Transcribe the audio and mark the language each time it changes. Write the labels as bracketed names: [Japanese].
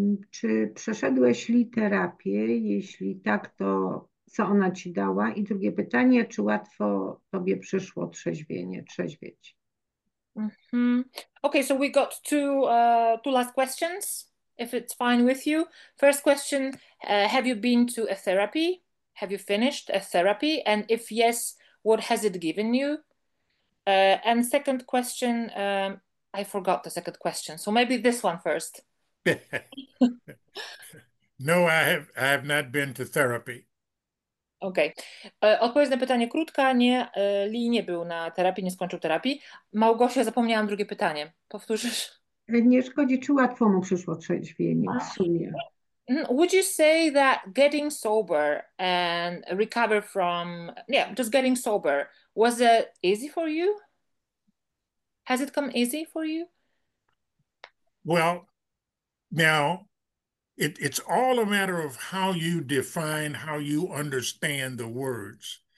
[Polish] Czy przeszedłeś li terapię? Jeśli tak, to co ona ci dała? I drugie pytanie, czy łatwo tobie przyszło trzeźwienie, trzeźwieć? [English] Okay, so we got two last questions, if it's fine with you. First question, have you been to a therapy? Have you finished a therapy? And if yes, what has it given you? And second question, I forgot the second question, so maybe this one first. No, I have not been to therapy. Okej. Okay. [Polish] Odpowiedź na pytanie krótka. Nie, Lee nie był na terapii, nie skończył terapii. Małgosia, zapomniałam drugie pytanie. Powtórzysz? Nie szkodzi, czy łatwo mu przyszło trzeźwienie w sumie? [English] Would you say that getting sober and recover from, yeah, just getting sober, was it easy for you? Has it come easy for you? Well, now, it's all a matter of how you define, how you understand the words.